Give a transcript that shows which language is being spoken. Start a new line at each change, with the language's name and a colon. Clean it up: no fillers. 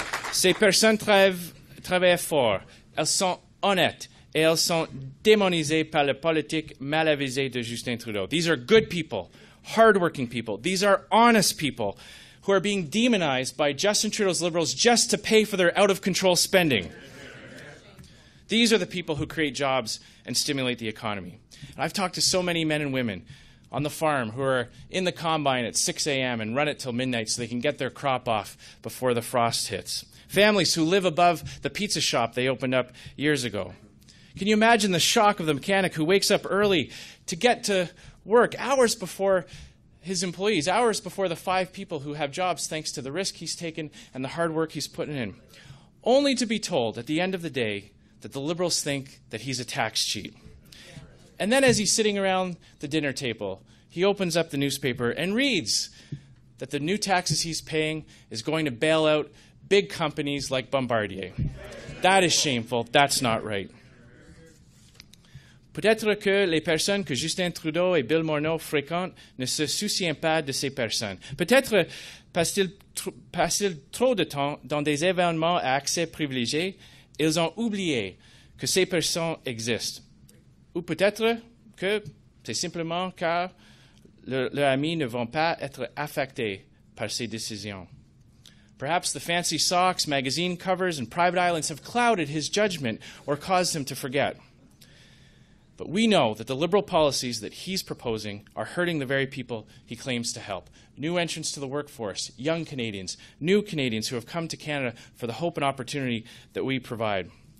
French: Ces personnes travaillent fort, elles sont honnêtes et elles sont démonisés par la politique malavisée de Justin Trudeau.
English: These are good people, hardworking people. These are honest people who are being demonized by Justin Trudeau's Liberals just to pay for their out-of-control spending. These are the people who create jobs and stimulate the economy. And I've talked to so many men and women on the farm who are in the combine at 6 a.m. and run it till midnight so they can get their crop off before the frost hits. Families who live above the pizza shop they opened up years ago. Can you imagine the shock of the mechanic who wakes up early to get to work hours before his employees, hours before the five people who have jobs thanks to the risk he's taken and the hard work he's putting in, only to be told at the end of the day that the Liberals think that he's a tax cheat. And then as he's sitting around the dinner table, he opens up the newspaper and reads that the new taxes he's paying is going to bail out big companies like Bombardier. That is shameful. That's not right.
French: Peut-être que les personnes que Justin Trudeau et Bill Morneau fréquentent ne se soucient pas de ces personnes. Peut-être passent-ils trop de temps dans des événements à accès privilégié. Ils ont oublié que ces personnes existent. Ou peut-être que c'est simplement car leurs amis ne vont pas être affectés par ces décisions.
English: Perhaps the fancy socks, magazine covers, and private islands have clouded his judgment or caused him to forget. But we know that the Liberal policies that he's proposing are hurting the very people he claims to help. New entrants to the workforce, young Canadians, new Canadians who have come to Canada for the hope and opportunity that we provide.